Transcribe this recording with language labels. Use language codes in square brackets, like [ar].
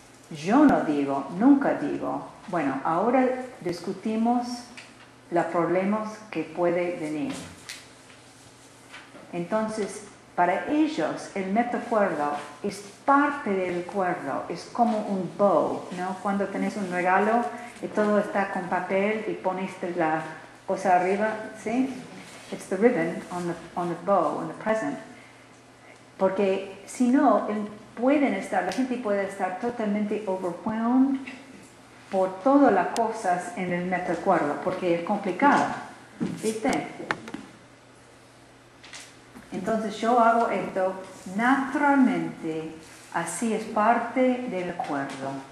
[es] Yo no digo, nunca digo, bueno, ahora discutimos los problemas que puede venir. Entonces, para ellos, el metacuerdo es parte del acuerdo, es como un bow, ¿no? Cuando tenés un regalo y todo está con papel y pones la cosa arriba, ¿sí? [en] It's the ribbon on the bow, on the present. [es] Porque si no, la gente puede estar totalmente overwhelmed por todas las cosas en el metacuerdo, porque es complicado, ¿viste? Entonces yo hago esto naturalmente, así es parte del acuerdo.